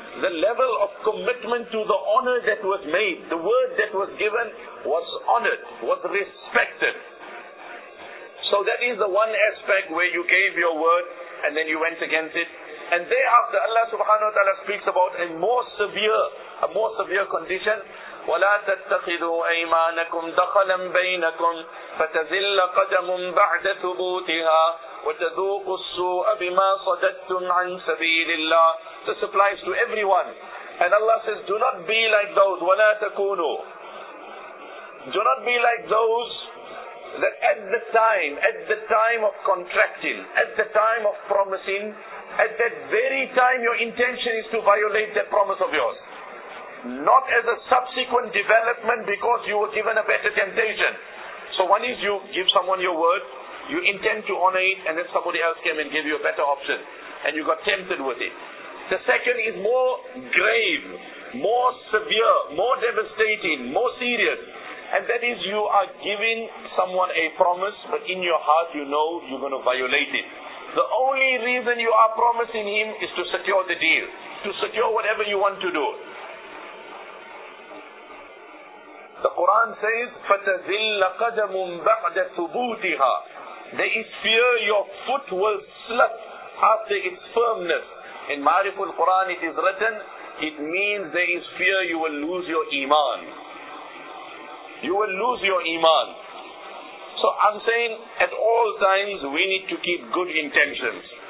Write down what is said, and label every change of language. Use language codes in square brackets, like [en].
[en] The level of commitment to the honor that was made. The word that was given was honored, was respected. So that is the one aspect where you gave your word and then you went against it. And thereafter Allah subhanahu wa ta'ala speaks about a more severe condition. [ar] ولا تتخذوا ايمانكم دخلا بينكم فتزل قدم بعد ثبوتها وتذوقوا السوء بما صددتم عن سبيل الله. [en] This applies to everyone. And Allah says, do not be like those. [ar] ولا تكونوا. [en] Do not be like those that at the time of contracting, at the time of promising, at that very time your intention is to violate that promise of yours. Not as a subsequent development because you were given a better temptation. So one is you give someone your word, you intend to honor it, and then somebody else came and gave you a better option and you got tempted with it. The second is more grave, more severe, more devastating, more serious. And that is you are giving someone a promise, but in your heart you know you're going to violate it. The only reason you are promising him is to secure the deal, to secure whatever you want to do. The Quran says, [ar] فَتَزِلَّ قَدَمٌ بَعْدَ ثُبُوتِهَا. [en] There is fear, your foot will slip after its firmness. In Ma'riful Quran it is written, it means there is fear you will lose your iman. You will lose your iman. So I'm saying, at all times we need to keep good intentions.